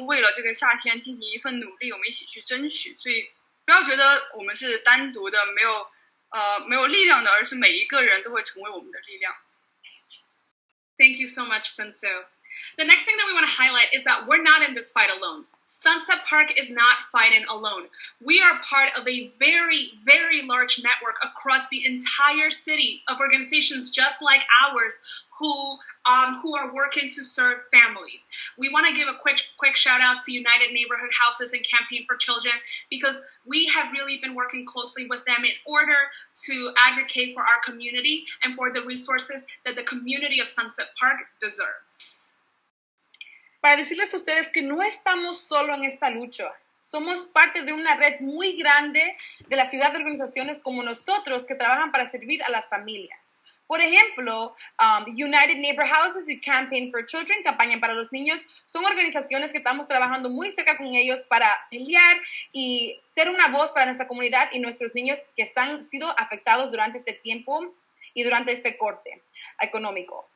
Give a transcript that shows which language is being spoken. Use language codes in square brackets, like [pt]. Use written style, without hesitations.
[zh] 我们其实觉得通过每一个人代表的这个数字，每个人用语言发声代表的这些想法，您的故事，您为什么需要这样夏天的活动，您的经验和您的想法都是能够代表我们这个社区，代表我们所有人的权益和利益的。所以说我们希望大家能够积极的去进行一些线上的互动或者倡议，至少可以让我们觉得我们每个人都能为了这个夏天进行一份努力，我们一起去争取。所以 不要觉得我们是单独的，没有力量的，而是每一个人都会成为我们的力量。 [en] Thank you so much, Sinsu. The next thing that we want to highlight is that we're not in this fight alone. Sunset Park is not fighting alone. We are part of a very, very large network across the entire city of organizations just like ours who are working to serve families. We want to give a quick shout out to United Neighborhood Houses and Campaign for Children, because we have really been working closely with them in order to advocate for our community and for the resources that the community of Sunset Park deserves. [es] Para decirles a ustedes que no estamos solo en esta lucha. Somos parte de una red muy grande de la ciudad de organizaciones como nosotros que trabajan para servir a las familias. Por ejemplo, United Neighbor Houses y Campaign for Children, Campaña para los Niños, son organizaciones que estamos trabajando muy cerca con ellos para pelear y ser una voz para nuestra comunidad y nuestros niños que están sido afectados durante este tiempo y durante este corte económico.